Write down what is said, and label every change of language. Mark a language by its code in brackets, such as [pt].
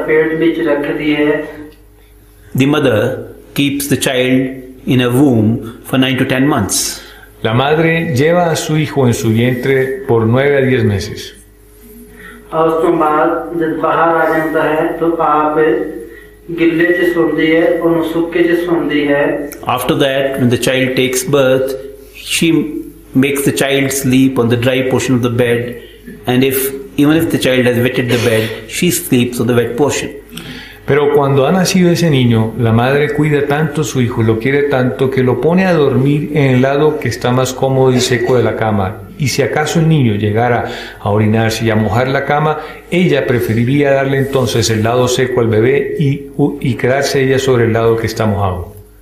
[en] The mother keeps the child in a womb for 9 to 10 months. [es] La madre lleva a su hijo en su vientre por 9 a 10 meses. [en] After that, when the child takes birth, she makes the child sleep on the dry portion of the bed, and even if the child has wetted the bed, she sleeps on the wet portion. [es] Pero cuando ha nacido ese niño, la madre cuida tanto a su hijo, lo quiere tanto, que lo pone a dormir en el lado que está más cómodo y seco de la cama. Y si acaso el niño llegara a orinarse y a mojar la cama, ella preferiría darle entonces el lado seco al bebé y quedarse ella sobre el lado que está mojado.